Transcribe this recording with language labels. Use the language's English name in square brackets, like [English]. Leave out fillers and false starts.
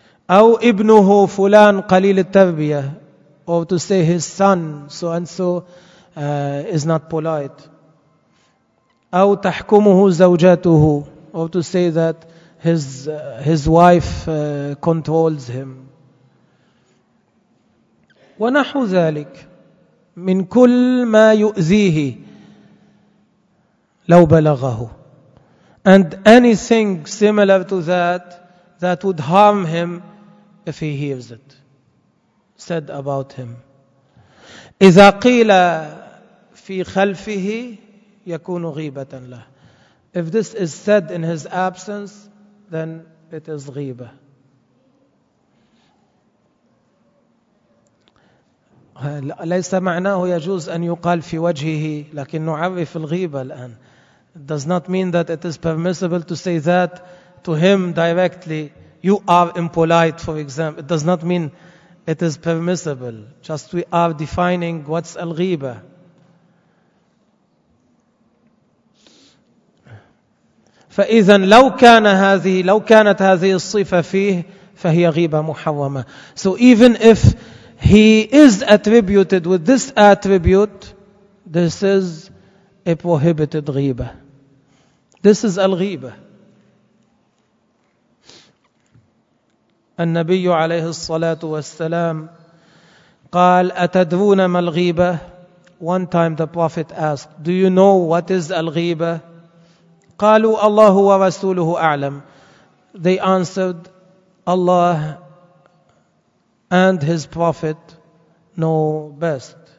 [Arabic] أو ابنه فلان قليل التربية, [English] or to say his son so and so is not polite. [Arabic] أو تحكمه زوجته, [English] or to say that his wife controls him. [Arabic] ونحو ذلك من كل ما يؤذيه لو بلغه. [English] And anything similar to that would harm him if he hears it said about him. [Arabic] إذا قيل في خلفه يكون غيبة له. [English] If this is said in his absence, then it is ghiba. [Arabic] ليس معناه يجوز أن يقال في وجهه, لكن نعرف الغيبة الآن. [English] It does not mean that it is permissible to say that to him directly. You are impolite, for example. It does not mean it is permissible. Just we are defining what's al-ghiba. [Arabic] فإذا لو كان هذه لو كانت هذه الصفة فيه فهي غيبة محرمة. [English] So even if he is attributed with this attribute, this is a prohibited غيبة. This is الغيبة. [Arabic] النبي عليه الصلاة والسلام قال أتدرون ما الغيبة. [English] One time the Prophet asked, do you know what is الغيبة؟ [Arabic] قالوا الله ورسوله أعلم. [English] They answered, Allah and His Prophet know best.